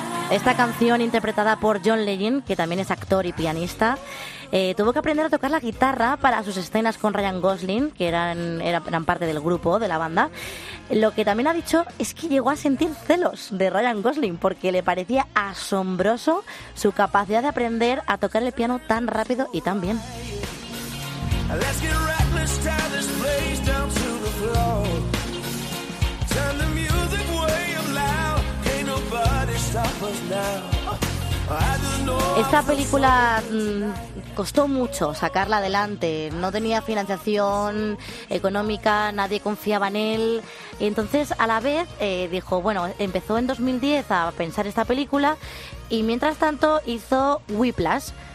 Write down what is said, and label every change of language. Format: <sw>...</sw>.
<es>Esta canción, interpretada por John Legend, que también es actor y pianista, tuvo que aprender a tocar la guitarra para sus escenas con Ryan Gosling, que eran parte del grupo, de la banda. Lo que también ha dicho es que llegó a sentir celos de Ryan Gosling porque le parecía asombroso su capacidad de aprender a tocar el piano tan rápido y tan bien.</es> <en>Let's get reckless, tie this place down to the floor. Turn the music way up loud. Can't nobody stop us now.</en> <es>Esta película costó mucho sacarla adelante, no tenía financiación económica, nadie confiaba en él, y entonces a la vez dijo, bueno, empezó en 2010 a pensar esta película y mientras tanto hizo Whiplash.</es>